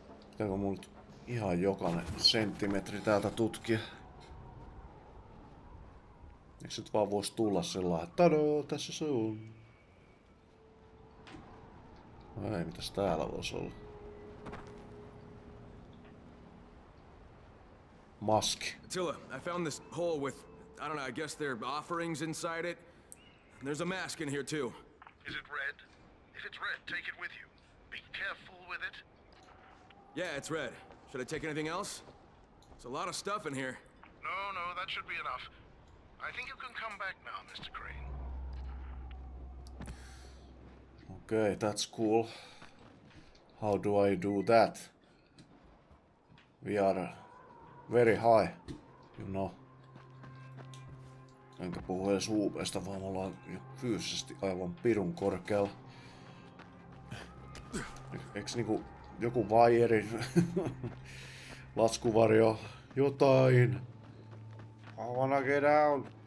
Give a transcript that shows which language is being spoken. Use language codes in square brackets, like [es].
[fi] Pitääkö mun ihan jokainen senttimetri täältä tutkia? Eikö nyt vaan vois tulla sellaan, että tadoo, tässä se on. No ei, mitäs täällä vois olla? Maski. [en] Attila, I found this hole with, I don't know, I guess there are offerings inside it. And there's a mask in here too. Is it red? If it's red, take it with you. Be careful with it. Yeah, it's red. Should I take anything else? There's a lot of stuff in here. No, no, that should be enough. I think you can come back now, Mr. Crane. Okay, that's cool. How do I do that? We are very high, you know. [fi] Enkä puhu edes huupeesta, vaan me ollaan fyysisesti aivan pirun korkealla. Eiks niinku joku vaijerin laskuvarjo jotain? [en] I wanna get down.